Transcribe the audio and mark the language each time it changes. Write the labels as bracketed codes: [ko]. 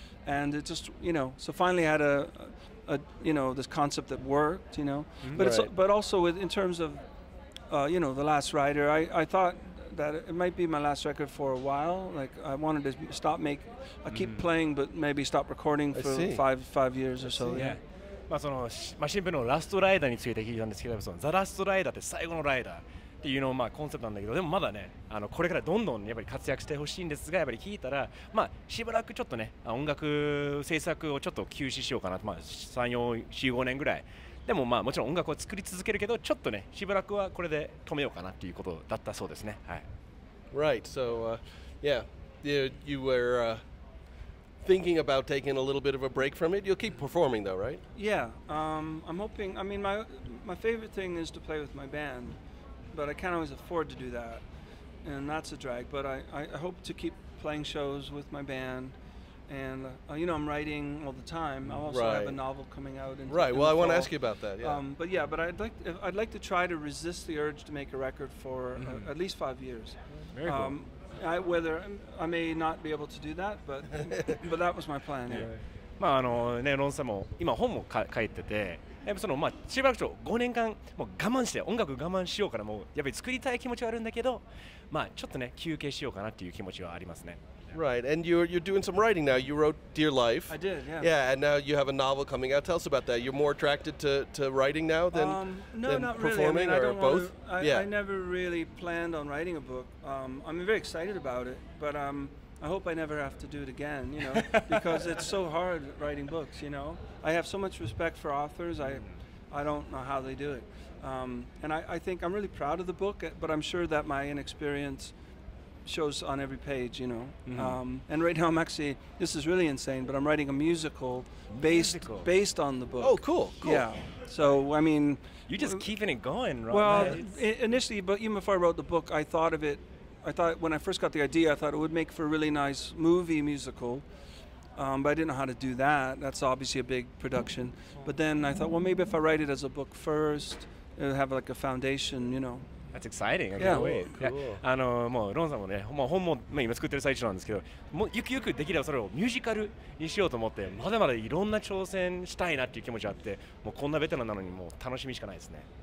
[en] And it just, you know, so finally I had this concept that worked, you know. Mm-hmm. But right. in terms of The Last Rider, I thought that it might be my last record for a while. Like, I wanted to stop make, I keep mm-hmm. playing, but maybe stop recording for five years or so. Yeah. [ja] まあその、まあ新編のラストライダーについて聞いたんですけど、その、The Last Rider って最後のライダーっていうのをまあコンセプトなんだけど、でもまだね、これからどんどんやっぱり活躍してほしいんですが、やっぱり聞いたら、まあしばらくちょっとね、音楽制作をちょっと休止しようかなと、まあ3、4、5年ぐらい。でもまあもちろん音楽を作り続けるけどちょっとねしばらくはこれで止めようかなっていうことだったそうですね。はい。 [en] Right. So, you were thinking about taking a little bit of a break from it. You'll keep performing though, right? Yeah. I'm hoping. I mean, my favorite thing is to play with my band, but I can't always afford to do that, and that's a drag. But I hope to keep playing shows with my band. And, you know, I'm writing all the time. I also right. have a novel coming out. I want to ask you about that. Yeah. But I'd like to try to resist the urge to make a record for at least 5 years. Very cool. I may not be able to do that, but but that was my plan. Yeah. [ja] まあね、ロンさんも今本も書いてて、やっぱそのまあしばらくちょ5年間もう我慢して音楽我慢しようからもうやっぱり作りたい気持ちはあるんだけど、まあちょっとね休憩しようかなっていう気持ちはありますね。 [en] Right, and you're doing some writing now. You wrote Dear Life. I did, yeah. Yeah, and now you have a novel coming out. Tell us about that. You're more attracted to writing now than performing really. I mean, or both? I never really planned on writing a book. I'm very excited about it, but I hope I never have to do it again, you know, because it's so hard writing books, you know. I have so much respect for authors. I don't know how they do it. And I think I'm really proud of the book, but I'm sure that my inexperience shows on every page, you know. Mm-hmm. And right now I'm actually, this is really insane, but I'm writing a musical, based on the book. Oh, cool. Yeah. So, I mean. You're just keeping it going, right? Well, initially, but even before I wrote the book, I thought when I first got the idea, I thought it would make for a really nice movie musical. But I didn't know how to do that. That's obviously a big production. But then I thought, well, maybe if I write it as a book first, it'll have like a foundation, you know. That's exciting. I can't wait. [ja] あのもうロンさんもね、まあ、本も今作ってる最中なんですけど、もうゆくゆくできればそれをミュージカルにしようと思って、まだまだいろんな挑戦したいなっていう気持ちがあって、もうこんなベテランなのにもう楽しみしかないですね。